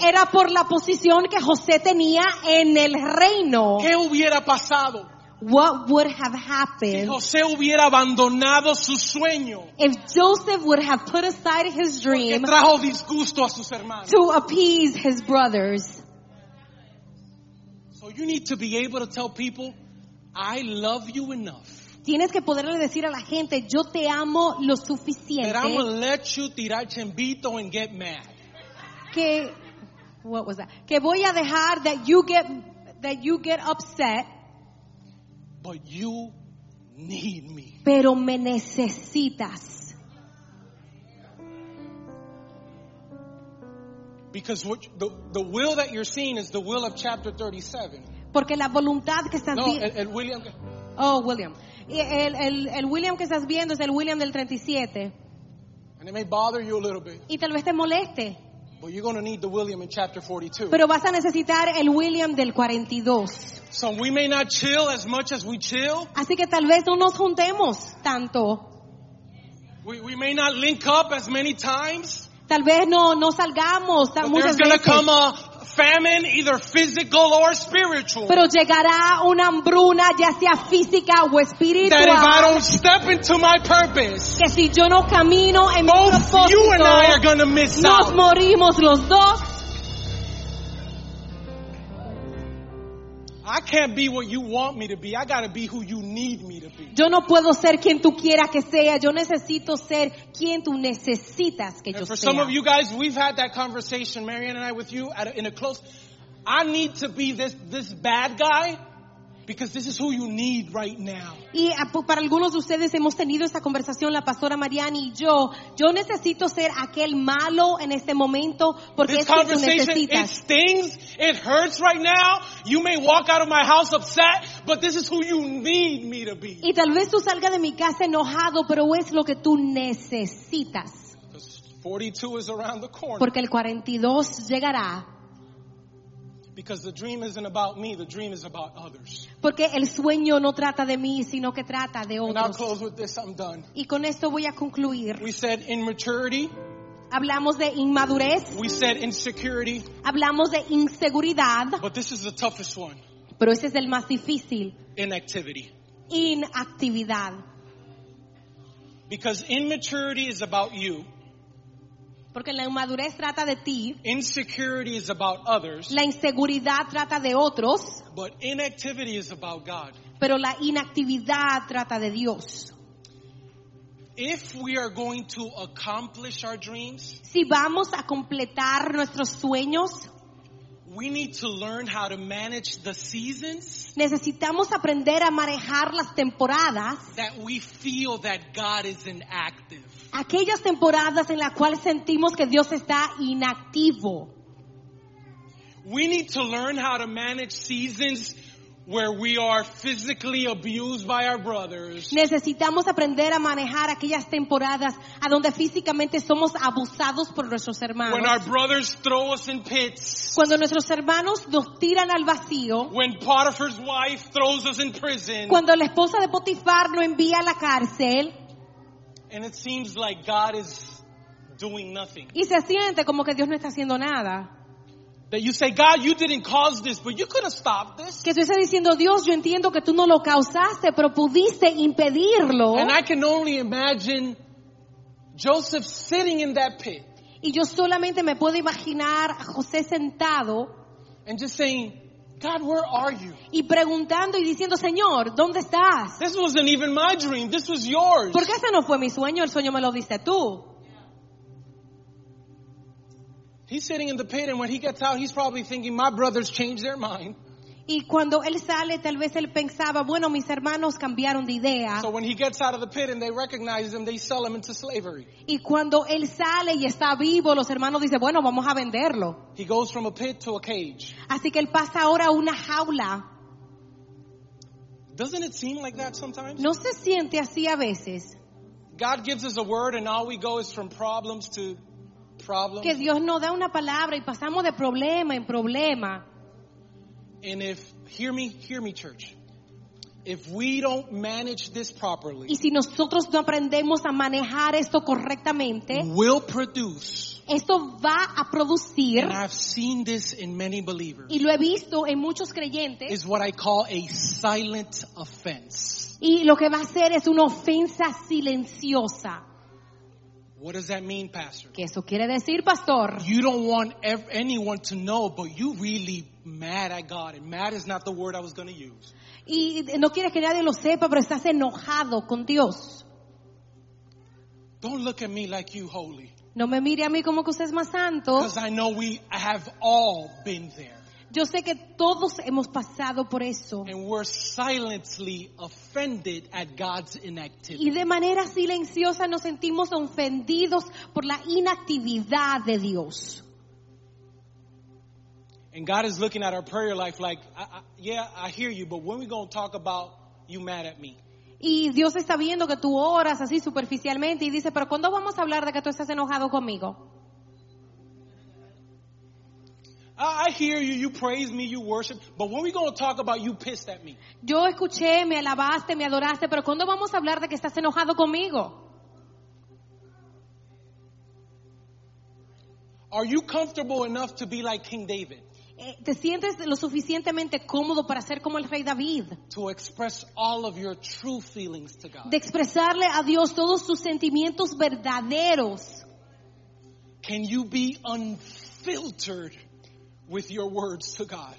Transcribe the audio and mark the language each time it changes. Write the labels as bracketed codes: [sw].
[es] Era por la posición que José tenía en el reino. ¿Qué hubiera pasado? [en] What would have happened [es] si José hubiera abandonado su sueño, [en] if Joseph would have put aside his dream [es] porque trajo disgusto a sus hermanos, [en] to appease his brothers? So you need to be able to tell people, I love you enough. [es] Tienes que poderle decir a la gente, yo te amo lo suficiente. [en] But I'm going to let you [es] tirar chembito [en] and get mad. Que, what was that? [es] Que voy a dejar [en] that you get upset. But you need me. [es] Pero me necesitas. [en] Because what the will that you're seeing is the will of chapter 37. [es] Porque la voluntad que están viendo. No, el William. [en] Oh, William. [es] El William que estás viendo es el William del 37. [en] And it may bother you a little bit. [es] Y tal vez te moleste. [en] But you're going to need the William in chapter 42. [es] Pero vas a necesitar el William del 42. [en] So we may not chill as much as we chill. [es] Así que tal vez no nos juntemos tanto. [en] We may not link up as many times. [es] Tal vez no salgamos tan muchas veces. [en] But there's going to come a famine, either physical or spiritual. [es] Pero llegará una hambruna, ya sea física o espiritual. [en] That if I don't step into my purpose, [es] que si yo no camino en mi propósito, [en] you and I are going to miss [es] nos [en] out. [es] Morimos los dos. [en] I can't be what you want me to be. I got to be who you need me to be. [es] Yo no puedo ser quien tú quieras que sea. Yo necesito ser quien tú necesitas que [en] and [es] yo [en] for For some of you guys, we've had that conversation, Marianne and I, with you in a close. I need to be this bad guy because this is who you need right now. [es] Y para algunos de ustedes hemos tenido esta conversación, la pastora Marianne y yo. Yo necesito ser aquel malo en este momento porque [en] this [es] es quien tú necesitas. [en] This conversation, it stings. It hurts right now. You may walk out of my house upset, but this is who you need me to be. [es] Y tal vez tú salgas de mi casa enojado, pero es lo que tú necesitas. [en] Because 42 is around the corner. [es] Porque el 42 llegará. [en] Because the dream isn't about me, the dream is about others. [es] Porque el sueño no trata de mí, sino que trata de otros. [en] And I'll close with this, I'm done. [es] Y con esto voy a concluir. [en] We said immaturity. [es] Hablamos de inmadurez. [en] We said insecurity. [es] Hablamos de inseguridad. [en] But this is the toughest one. [es] Pero ese es el más difícil. [en] Inactivity. [es] Inactividad. [en] Because immaturity is about you. [es] Porque la inmadurez trata de ti. [en] Insecurity is about others. [es] La inseguridad trata de otros. [en] But inactivity is about God. [es] Pero la inactividad trata de Dios. [en] If we are going to accomplish our dreams, [es] si vamos a completar nuestros sueños, [en] we need to learn how to manage the seasons. [es] Necesitamos aprender a manejar las temporadas. [en] That we feel that God is inactive. [es] Aquellas temporadas en las cuales sentimos que Dios está inactivo. [en] We need to learn how to manage seasons where we are physically abused by our brothers. [es] Necesitamos aprender a manejar aquellas temporadas a donde físicamente somos abusados por nuestros hermanos. [en] When our brothers throw us in pits. [es] Cuando nuestros hermanos nos tiran al vacío. [en] When Potiphar's wife throws us in prison. [es] Cuando la esposa de Potifar lo envía a la cárcel. [en] And it seems like God is doing nothing. [es] Y se siente como que Dios no está haciendo nada. [en] That you say, God, you didn't cause this, but you could have stopped this. [es] Que tú estás diciendo, Dios, yo entiendo que tú no lo causaste, pero pudiste impedirlo. [en] And I can only imagine Joseph sitting in that pit. [es] Y yo solamente me puedo imaginar a José sentado. [en] And just saying, God, where are you? [es] Y preguntando y diciendo, Señor, ¿dónde estás? [en] This wasn't even my dream. This was yours. [es] Porque ese no fue mi sueño. El sueño me lo diste tú. [en] He's sitting in the pit, and when he gets out, he's probably thinking, my brothers changed their mind. [es] Y cuando él sale, tal vez él pensaba, bueno, mis hermanos cambiaron de idea. [en] So when he gets out of the pit and they recognize him, they sell him into slavery. [es] Y cuando él sale y está vivo, los hermanos dicen, bueno, vamos a venderlo. [en] He goes from a pit to a cage. [es] Así que él pasa ahora a una jaula. [en] Doesn't it seem like that sometimes? [es] ¿No se siente así a veces? [en] God gives us a word, and all we go is from problems to problems. [es] Que Dios nos da una palabra y pasamos de problema en problema. [en] And if, hear me, church. If we don't manage this properly, [es] y si nosotros no aprendemos a manejar esto correctamente, [en] will produce, [es] esto va a producir, [en] and I've seen this in many believers, [es] y lo he visto en muchos creyentes, [en] is what I call a silent offense. [es] Y lo que va a hacer es una ofensa silenciosa. [en] What does that mean, Pastor? [es] ¿Qué eso quiere decir, Pastor? [en] You don't want anyone to know, but you really mad at God. And mad is not the word I was going to use. [es] Y no quieres que nadie lo sepa, pero estás enojado con Dios. [en] Don't look at me like you holy. [es] No me mire a mí como que usted es más santo. [en] Because I know we have all been there. [es] Yo sé que todos hemos pasado por eso. [en] And we're silently offended at God's inactivity. [es] Y de manera silenciosa nos sentimos ofendidos por la inactividad de Dios. [en] And God is looking at our prayer life like, yeah, I hear you, but when are we going to talk about you mad at me? [es] Y Dios está viendo que tú oras así superficialmente y dice, pero ¿cuándo vamos a hablar de que tú estás enojado conmigo? [en] I hear you, you praise me, you worship, but when are we going to talk about you pissed at me? [es] Yo escuché, me alabaste, me adoraste, pero ¿cuándo vamos a hablar de que estás enojado conmigo? [en] Are you comfortable enough to be like King David? [es] ¿Te sientes lo suficientemente cómodo para ser como el rey David? [en] To express all of your true feelings to God. [es] De expresarle a Dios todos tus sentimientos verdaderos. [en] Can you be unfiltered with your words to God?